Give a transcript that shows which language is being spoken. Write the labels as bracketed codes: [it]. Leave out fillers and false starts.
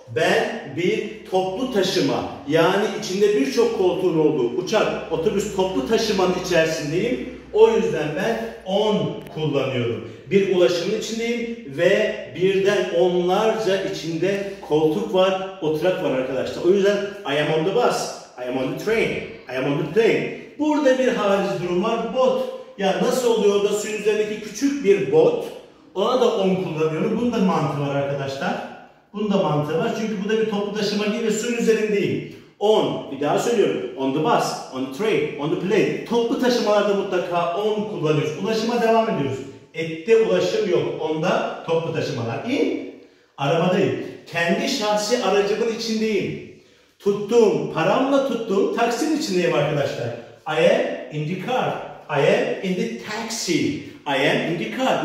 [tr] Ben bir toplu taşıma, yani içinde birçok koltuğun olduğu uçak, otobüs, toplu taşımanın içerisindeyim. O yüzden ben on kullanıyorum. Bir ulaşımın içindeyim ve birden onlarca içinde koltuk var, oturak var arkadaşlar. O yüzden [en] I am on the bus, I am on the train, I am on the plane. [tr] Burada bir hariç durum var, bot. Ya nasıl oluyor da suyun üzerindeki küçük bir bot, ona da on kullanıyorum. Bunun da mantığı var arkadaşlar. Bunun da mantığı var çünkü bu da bir toplu taşıma gibi, suyun üzerindeyim. On, bir daha söylüyorum. [en] On the bus, on the train, on the plane. [tr] Toplu taşımalarda mutlaka on kullanıyoruz. Ulaşıma devam ediyoruz. Ette ulaşım yok. Onda toplu taşımalar. İn, arabadayım. Kendi şahsi aracımın içindeyim. Tuttuğum, paramla tuttuğum taksinin içindeyim arkadaşlar. [en] I am in the car. I am in the taxi. I am in the car.